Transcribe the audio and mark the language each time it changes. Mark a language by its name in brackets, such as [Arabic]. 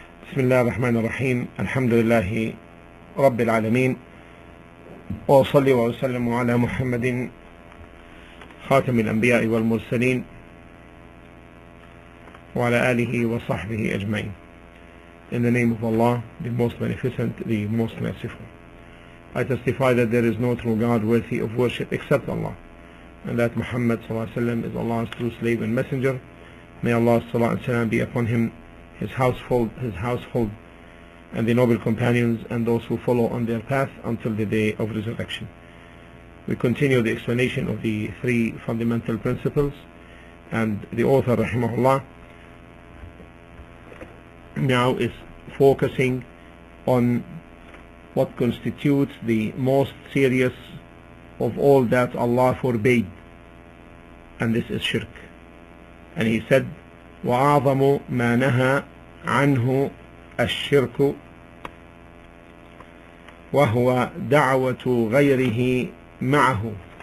[Arabic] بسم الله الرحمن الرحيم الحمد لله رب العالمين وأصلي وأسلم على محمد خاتم الأنبياء والمرسلين وعلى آله وصحبه أجمعين. [English] In the name of Allah, the Most Beneficent, the Most Merciful. I testify that there is no true God worthy of worship except Allah, and that Muhammad [Arabic] صلى الله عليه وسلم [English] is Allah's true slave and messenger. May Allah [Arabic] صلى الله عليه وسلم [English] be upon him, his household, and the noble companions and those who follow on their path until the day of resurrection. We continue the explanation of the three fundamental principles, and the author rahimahullah now is focusing on what constitutes the most serious of all that Allah forbade, and this is shirk. And he said, [Arabic] وَأَعْظَمُ مَا نَهَى عَنْهُ الشِّرْكُ وَهُوَ دَعْوَةُ غَيْرِهِ مَعَهُ.